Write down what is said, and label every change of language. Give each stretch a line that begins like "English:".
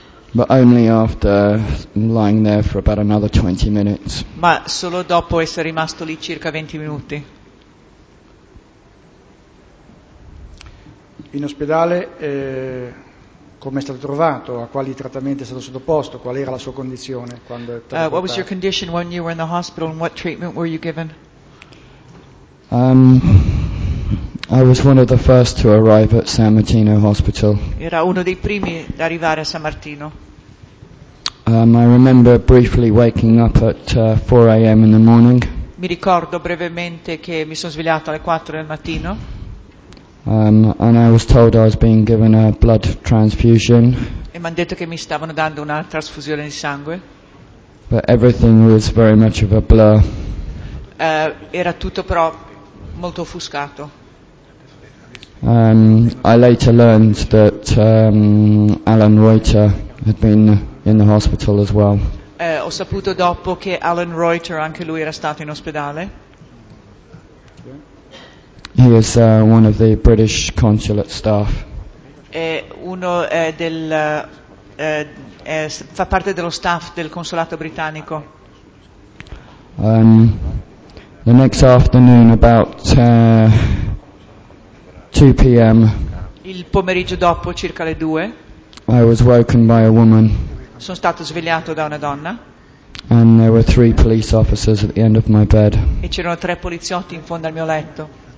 English: But only after lying there for about another 20 minutes.
Italian: Ma solo dopo essere rimasto lì circa 20 minuti. In ospedale, come è stato trovato? A quali trattamenti è stato sottoposto? Qual era la sua condizione quando è trattato?
English: What was your condition when you were in the hospital and what treatment were you given? I was one of the first to arrive at San Martino Hospital.
Italian: Era uno dei primi ad arrivare a San Martino.
English: I remember briefly waking up at 4 a.m. in the morning.
Italian: Mi ricordo brevemente che mi sono svegliato alle 4 del mattino.
English: And I was told I was being given a blood transfusion.
Italian: E mi hanno detto che mi stavano dando una trasfusione di sangue.
English: But everything was very much of a blur.
Italian: Era tutto però molto offuscato.
English: I later learned that Alan Reuter had been in the hospital as well.
Italian: Ho saputo dopo che Alan Reuter anche lui era stato in ospedale.
English: He is one of the British consulate staff.
Italian: È uno del fa parte dello staff del consolato britannico.
English: The next afternoon, about 2 p.m.
Italian: Il pomeriggio dopo, circa le 2.
English: I was woken by a woman.
Italian: Sono stato svegliato da una donna.
English: And there were 3 police officers at the end of my bed.
Italian: E c'erano 3 poliziotti in fondo al mio letto.